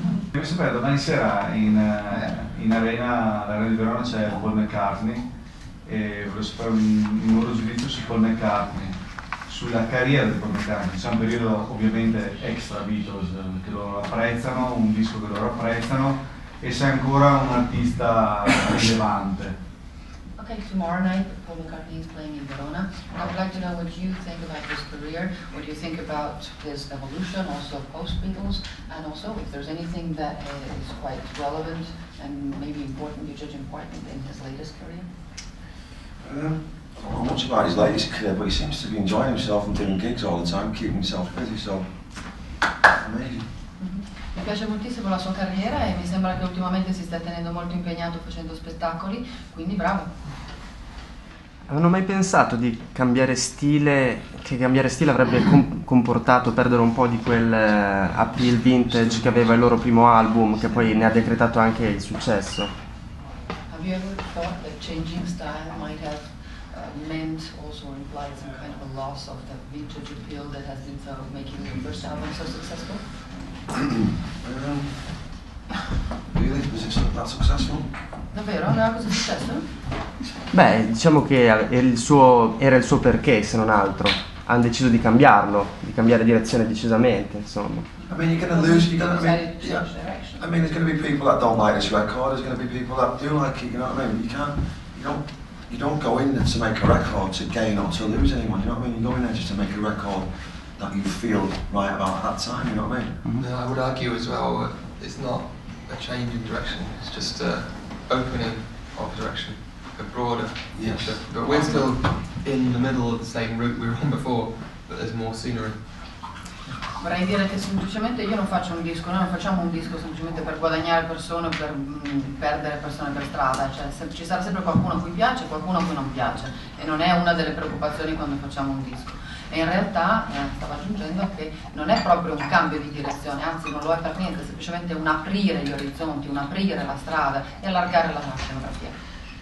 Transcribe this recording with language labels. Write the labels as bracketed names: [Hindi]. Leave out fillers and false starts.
[Italian] Devo sapere, domani sera in arena, l'Arena di Verona, c'è Paul McCartney e volevo sapere un loro giudizio su Paul McCartney. Sulla carriera del promettente, c'è un periodo ovviamente extra Beatles che loro apprezzano, un disco che loro apprezzano, e sei ancora un artista rilevante. [English] Okay, tomorrow night Paul McCartney is playing in Verona. I would like to know what you think about his career, what you think about his evolution, also post-Beatles, and also if there's anything that is quite relevant and maybe important, you judge important in his latest career. I don't know much about his latest career, but he seems to be enjoying himself and doing gigs all the time, keeping himself busy, so amazing. [Italian] Mi piace moltissimo la sua carriera e mi sembra che ultimamente si stia tenendo molto impegnato facendo spettacoli, quindi bravo. Non ho mai pensato di cambiare stile, che cambiare stile avrebbe comportato perdere un po' di quel appeal vintage che aveva il loro primo album, che poi ne ha decretato anche il successo. [English] Have you ever thought that changing style might have meant also implied some kind of a loss of the vintage appeal that has been sort of making your first album so successful? Really? Was it that successful? [Italian] Davvero? Non era così successo? Beh, diciamo che era il suo perché, se non altro. Hanno deciso di cambiarlo, di cambiare direzione decisamente, insomma. [English] I mean, you're gonna lose, you're gonna be, yeah. I mean, there's gonna be people that don't like this record, there's gonna be people that do like it, you know what I mean? You don't go in there to make a record to gain or to lose anyone, you know what I mean? You go in there just to make a record that you feel right about at that time, you know what I mean? Mm-hmm. No, I would argue as well, it's not a change in direction, it's just a opening of direction, a broader picture. Yes. But we're still in the middle of the same route we were on before, but there's more scenery. [Italian] vorrei dire che semplicemente io non faccio un disco, noi non facciamo un disco semplicemente per guadagnare persone o per perdere persone per strada, cioè ci sarà sempre qualcuno a cui piace e qualcuno a cui non piace, e non è una delle preoccupazioni quando facciamo un disco. E in realtà, stavo aggiungendo, che non è proprio un cambio di direzione, anzi non lo è per niente, è semplicemente un aprire gli orizzonti, un aprire la strada e allargare la scenografia.